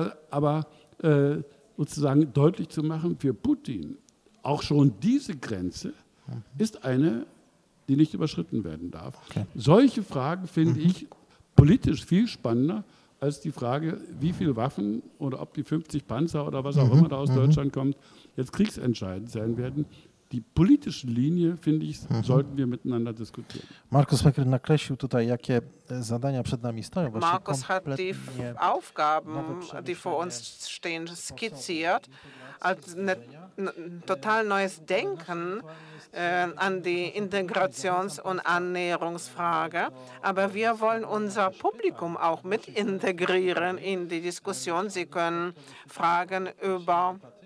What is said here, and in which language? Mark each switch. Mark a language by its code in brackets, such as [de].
[de] Aber sozusagen deutlich zu machen für Putin, auch schon diese Grenze ist eine, die nicht überschritten werden darf. Okay. Solche Fragen finde ich politisch viel spannender als die Frage, wie viele Waffen oder ob die 50 Panzer oder was auch immer da aus Deutschland kommt, jetzt kriegsentscheidend sein werden. Die politische Linie, finde ich, sollten wir miteinander diskutieren. [pl] Markus Becker nakreślił tutaj, jakie zadania przed nami stoją. [de] Markus hat die Aufgaben, die vor uns stehen, skizziert, als ein total neues Denken an die Integrations- und Annäherungsfrage. Aber wir wollen unser Publikum auch mit integrieren in die Diskussion. Sie können Fragen über